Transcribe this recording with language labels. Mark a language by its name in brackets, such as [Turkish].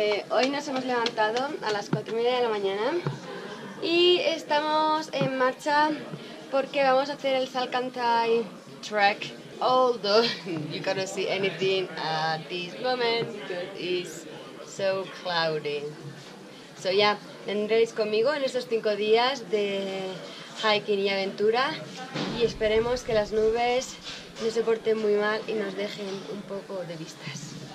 [Spanish] Hoy nos hemos levantado a las 4:30 de la mañana y estamos en marcha porque vamos a hacer el Salkantay Trek. [English] Although you cannot see anything at this moment, it is so cloudy. So yeah, [Spanish] vendréis conmigo en estos 5 días de hiking y aventura y esperemos que las nubes no se porten muy mal y nos dejen un poco de vistas.